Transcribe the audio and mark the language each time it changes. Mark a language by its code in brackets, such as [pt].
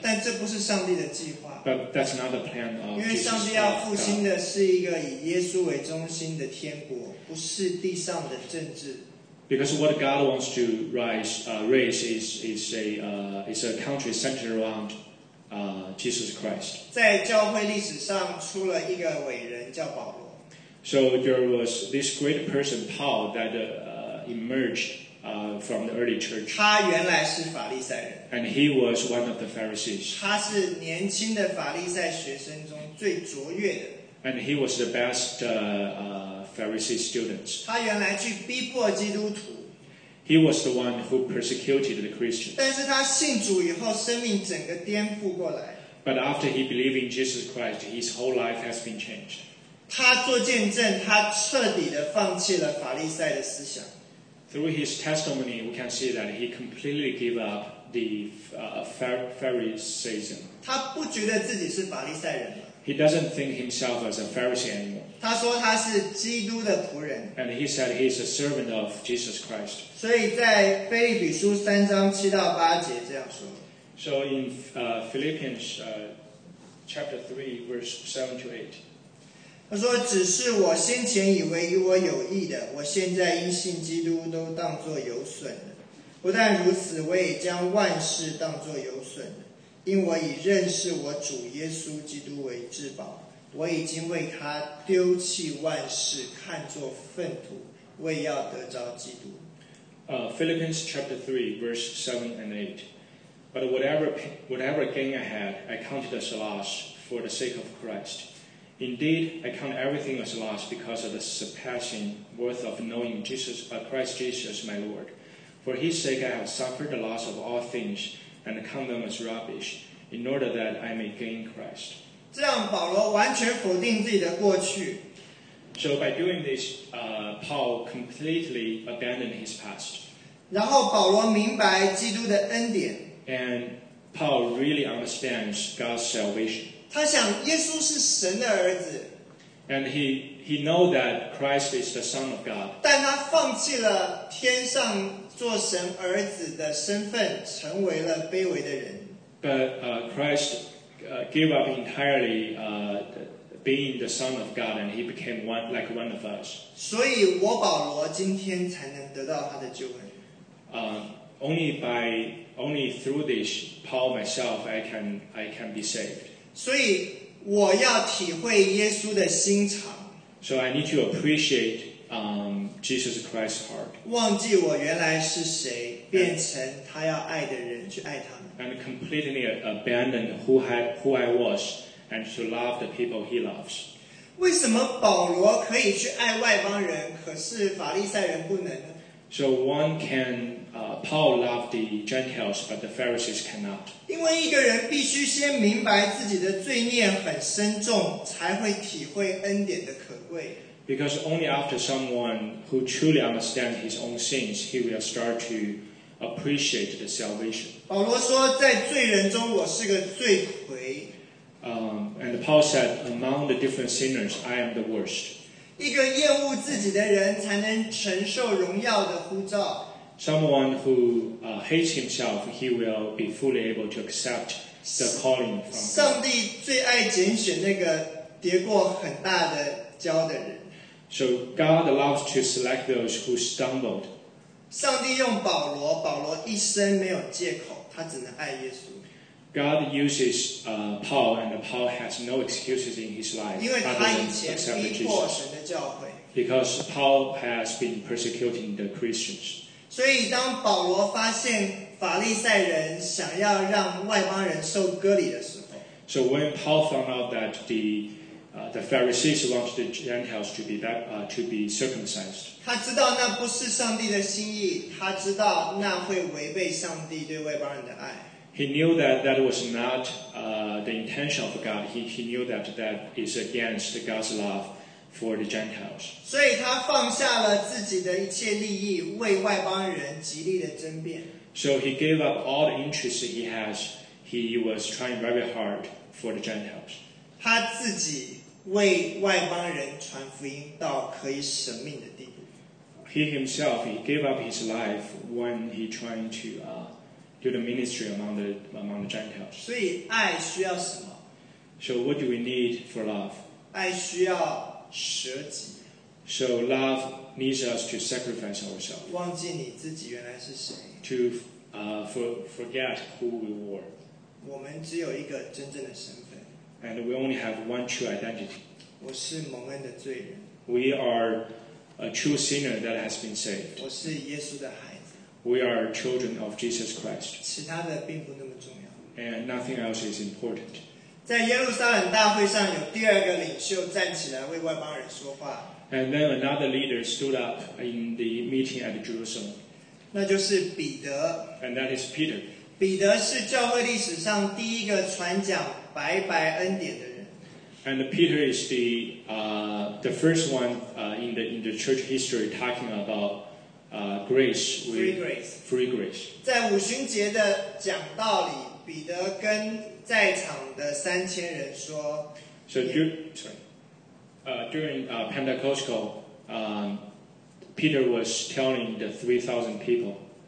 [zh] 但这不是上帝的计划。 [en] But that's not the plan of Jesus. [zh] 因为上帝要复兴的是一个以耶稣为中心的天国，不是地上的政治。 [en] Because what God wants to raise is a country centered around Jesus Christ. [zh] 在教会历史上出了一个伟人叫保罗。 [en] So there was this great person Paul that emerged from the early church. [zh] 他原来是法利赛人。 [en] And he was one of the Pharisees. [zh] 他是年轻的法利赛学生中最卓越的。 [en] And he was the best Pharisee students. [zh] 他原来去逼迫基督徒。 [en] He was the one who persecuted the Christians. [zh] 但是他信主以后，生命整个颠覆过来。 [en] But after he believed in Jesus Christ, his whole life has been changed. [zh] 他做见证，他彻底的放弃了法利赛的思想。 [en] Through his testimony, we can see that he completely gave up the Pharisaism. [zh] 他不觉得自己是法利赛人。 [en] He doesn't think himself as a Pharisee anymore. [zh] 他说他是基督的仆人。 [en] And he said he is a servant of Jesus Christ. [zh] 所以在腓立比书三章七到八节这样说。 [en] So in Philippians chapter 3 verse 7 to 8. [zh] 他说只是我先前以为与我有益的，我现在因信基督都当作有损的。不但如此，我也将万事当作有损的。因我已认识我主耶稣基督为至宝，我已经为他丢弃万事，看作粪土，为要得着基督。 [en] Philippians chapter 3, verse 7 and 8. But whatever gain I had, I counted as loss for the sake of Christ. Indeed, I count everything as loss because of the surpassing worth of knowing Jesus, Christ Jesus, my Lord. For his sake I have suffered the loss of all things. And count them as rubbish, in order that I may gain Christ. [zh] 这样保罗完全否定自己的过去。 [en] So by doing this, Paul completely abandoned his past. [zh] 然后保罗明白基督的恩典。 [en] And Paul really understands God's salvation. [zh] 他想耶稣是神的儿子。 [en] And he know that Christ is the Son of God. [zh] 但他放弃了天上。做神儿子的身份，成为了卑微的人。 [en] But Christ gave up entirely being the Son of God, and he became one like one of us. [zh] 所以我保罗今天才能得到他的救恩。 [en] Only through this Paul myself, I can be saved. [zh] 所以我要体会耶稣的心肠。 [en] So I need to appreciate. Jesus Christ's heart. [zh] 忘记我原来是谁，变成他要爱的人去爱他们。 [en] And completely abandon who I was, and to love the people he loves. [zh] 为什么保罗可以去爱外邦人，可是法利赛人不能呢？ [en] So one can Paul love the Gentiles, but the Pharisees cannot. [zh] 因为一个人必须先明白自己的罪孽很深重，才会体会恩典的可贵。 [en] Because only after someone who truly understands his own sins, he will start to appreciate the salvation. [zh] 保罗说，在罪人中我是个罪魁。 [en] And Paul said, among the different sinners, I am the worst. [zh] 一个厌恶自己的人才能承受荣耀的呼召。 [en] Someone who hates himself, he will be fully able to accept the calling from God. [zh] 上帝最爱拣选那个跌过很大的跤的人。 [en] So God loves to select those who stumbled. [zh] 上帝用保罗，保罗一生没有借口，他只能爱耶稣。 [en] God uses Paul, and Paul has no excuses in his life. [zh] 因为他以前逼迫神的教会。 [en] Because Paul has been persecuting the Christians. [zh] 所以当保罗发现法利赛人想要让外邦人受割礼的时候。 [en] So when Paul found out that the Pharisees wanted the Gentiles to be circumcised. [zh] 他知道那不是上帝的心意，他知道那会违背上帝对外邦人的爱。 [en] He knew that that was not the intention of God. He knew that that is against God's love for the Gentiles. [zh] 所以他放下了自己的一切利益，为外邦人极力的争辩。 [en] So he gave up all the interests he has. He was trying very hard for the Gentiles. [zh] 他自己为外邦人传福音到可以舍命的地步。 [en] He himself, he gave up his life when he trying to do the ministry among the Gentiles. [zh] 所以爱需要什么？ [en] So what do we need for love? [zh] 爱需要舍己。 [en] So love needs us to sacrifice ourselves. [zh] 忘记你自己原来是谁。 [en] To forget who we were. [zh] 我们只有一个真正的身份。 [en] And we only have one true identity. [zh] 我是蒙恩的罪人。 [en] We are a true sinner that has been saved. [zh] 我是耶稣的孩子。 [en] We are children of Jesus Christ. [zh] 其他的并不那么重要。 [en] And nothing else is important. [zh] 在耶路撒冷大会上，有第二个领袖站起来为外邦人说话。 [en] And then another leader stood up in the meeting at Jerusalem. [zh] 那就是彼得。 [en] And that is Peter. [zh] 彼得是教会历史上第一个传讲白白恩典的人。 [en] And Peter is the first one in the church history talking about grace, with free grace, free grace. [zh] 在五旬节的讲道里，彼得跟在场的三千人说。 [en] So during Pentecostal, Peter was telling the 3,000 people.